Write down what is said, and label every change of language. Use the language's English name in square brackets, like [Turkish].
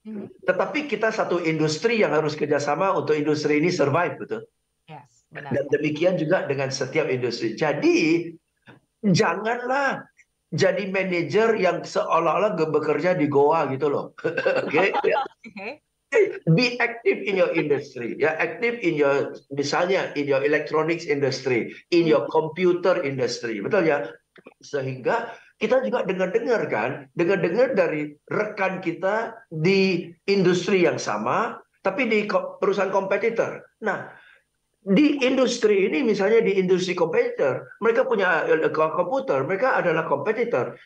[Indonesian] Tetapi kita satu industri yang harus kerjasama untuk industri ini survive, betul? Yes, benar. Dan demikian juga dengan setiap industri. Jadi janganlah jadi manajer yang seolah-olah bekerja di Goa gitu loh. [English] Oke. Okay? Be active in your industry. Ya, yeah, active in your, misalnya in your electronics industry, in your computer industry. [Indonesian] Betul ya? Sehingga kita juga dengar-dengar kan, dengar-dengar dari rekan kita di industri yang sama, tapi di perusahaan kompetitor. Nah, di industri ini, misalnya di industri kompetitor, mereka punya komputer, mereka adalah kompetitor.